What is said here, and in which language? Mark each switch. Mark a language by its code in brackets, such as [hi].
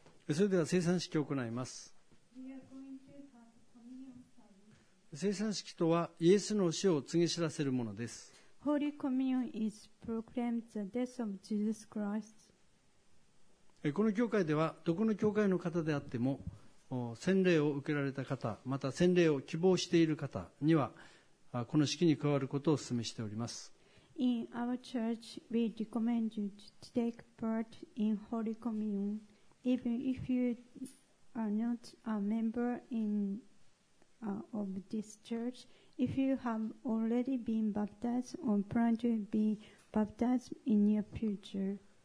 [ja] それでは聖餐式を行います。聖餐式とはイエスの死を告げ知らせるものです。 [en] Holy Communion is proclaimed the death of Jesus Christ. [ja] この教会では、どこの教会の方であっても、洗礼を受けられた方、また洗礼を希望している方には、この式に加わることをお勧めしております。 [en] In our church, we recommend you to take part in Holy Communion. Even if you are not a member of this church, if you have already been baptized or plan to be baptized in your future.